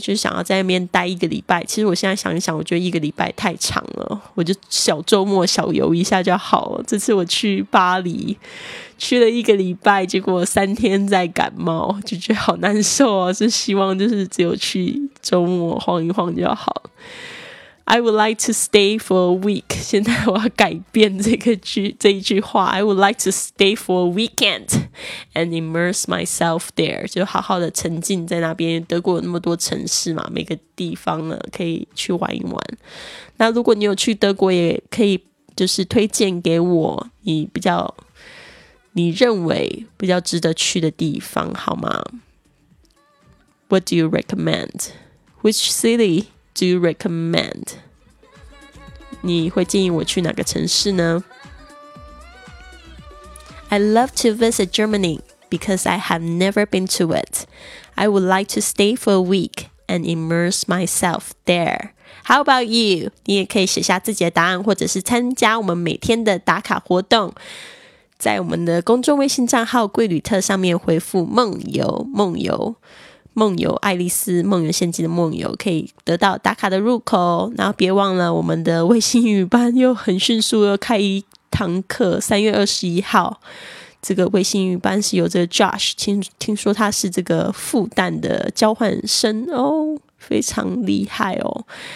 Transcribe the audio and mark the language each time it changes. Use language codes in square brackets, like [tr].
[zh] 就是想要在那边待一个礼拜。其实我现在想一想，我觉得一个礼拜太长了，我就小周末小游一下就好了。这次我去巴黎去了一个礼拜，结果三天在感冒，就觉得好难受哦，是希望就是只有去周末晃一晃就好。 [en] I would like to stay for a week. [zh] 现在我要改变这一句话 [en] I would like to stay for a weekend and immerse myself there. [zh] 就好好的沉浸在那边，德国有那么多城市嘛，每个地方呢可以去玩一玩。那如果你有去德国，也可以就是推荐给我你比较你认为比较值得去的地方好吗？ [en] What do you recommend? Which city do you recommend? [zh] 你会建议我去哪个城市呢？ [en] I love to visit Germany because I have never been to it. I would like to stay for a week and immerse myself there. How about you? [zh] 你也可以写下自己的答案，或者是参加我们每天的打卡活动，在我们的公众微信账号贵旅特上面回复梦游，梦游，梦游爱丽丝，梦游陷阱的梦游，可以得到打卡的入口。然后别忘了我们的微信语班又很迅速又开一堂课，3月21号这个微信语班是由这个 Josh 听说他是这个复旦的交换生哦，非常厉害哦。